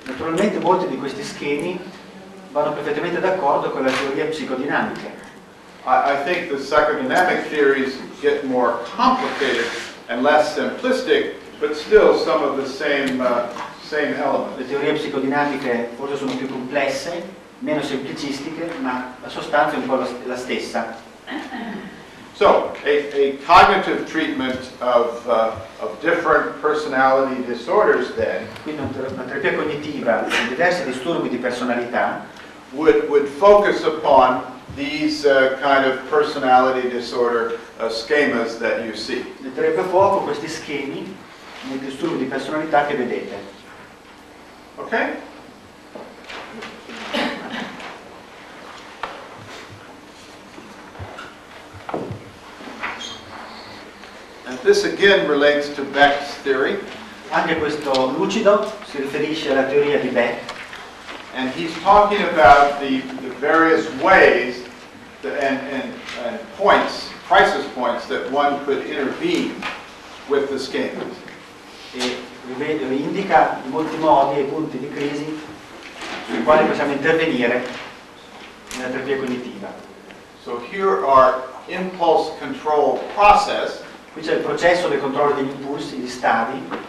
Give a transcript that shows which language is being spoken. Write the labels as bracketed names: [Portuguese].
[Italian] Naturalmente, molti di questi schemi vanno perfettamente d'accordo con la teoria psicodinamica. [English] I think the psychodynamic theories get more complicated and less simplistic, but still some of the same elements. [Italian] Le teorie psicodinamiche forse sono più complesse, meno semplicistiche, ma la sostanza è un po' la stessa. [English] So, a cognitive treatment of different personality disorders then, [Italian] quindi una terapia cognitiva di diversi disturbi di personalità, [English] would focus upon these kind of personality disorder schemas that you see. [Italian] Metterebbe a fuoco questi schemi nei disturbi di personalità che vedete. [English] Okay? This again relates to Beck's theory. [Italian] Anche questo lucido si riferisce alla teoria di Beck. [English] And he's talking about the various ways that, and points, crisis points, that one could intervene with the schemas. [Italian] E ripeto, indica in molti modi e punti di crisi sui quali possiamo intervenire nella terapia cognitiva. [English] So here are impulse control processes. [Italian] Qui c'è il processo del controllo degli impulsi, gli stadi,